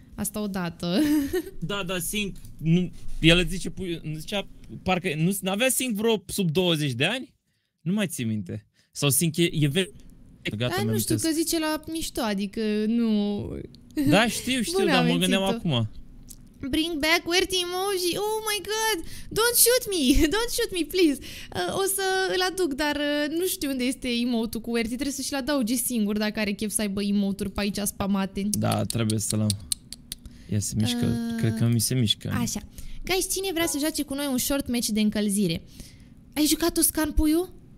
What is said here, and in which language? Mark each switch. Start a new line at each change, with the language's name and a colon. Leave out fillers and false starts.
Romanian: Asta odată. Da, sing. El îți zice, zicea, parcă n-avea sing vreo sub 20 de ani? Nu mai ții minte. Sau sing e vechi. Gata, nu știu, că zice la mișto, adică nu... Da, știu, dar mă gândeam acum.
English: Bring back QWERTY emoji, oh my god, don't shoot me, please.
Romanian: O să îl aduc, dar nu știu unde este emote-ul cu QWERTY, trebuie să-și-l adauge singur dacă are chef să aibă emote-uri pe aici spamate. Da, trebuie să-l am. Ia se mișcă, cred că mi se mișcă. Așa. Guys, cine vrea să joace cu noi un
English: short match
Romanian: de încălzire? Ai jucat Toscan Puiu?